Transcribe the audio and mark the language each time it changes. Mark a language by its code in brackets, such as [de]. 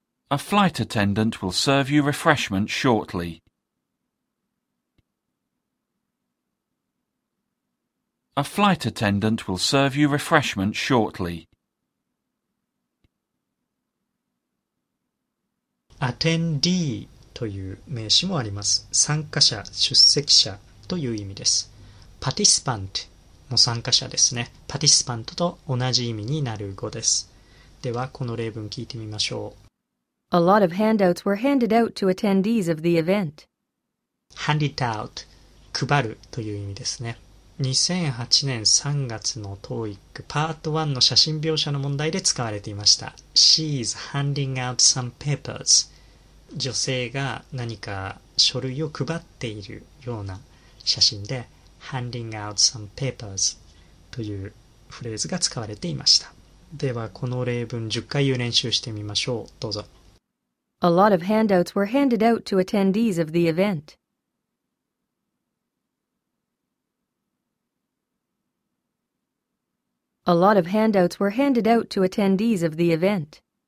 [en] A flight attendant will serve you refreshment shortly. A flight attendant will serve you refreshment shortly. [ja] Attendee という名詞もあります。参加者、出席者という意味です。パティスパント、の参加者ですね。パティシパントと同じ意味になる語です。ではこの例文聞いてみましょう。 [en] A lot of handouts were handed out to attendees of the event. Handed out、 [ja] 配るという意味ですね。2008年3月の TOEIC パート1の写真描写の問題で使われていました。 [en] She is handing out some papers。 [ja] 女性が何か書類を配っているような写真で [en] Handing out some papers [ja] というフレーズが使われていました。ではこの例文10回言う練習してみましょう。どうぞ。 [en] A lot of handouts were handed out to attendees of the event. A lot of handouts were handed out to attendees of the event.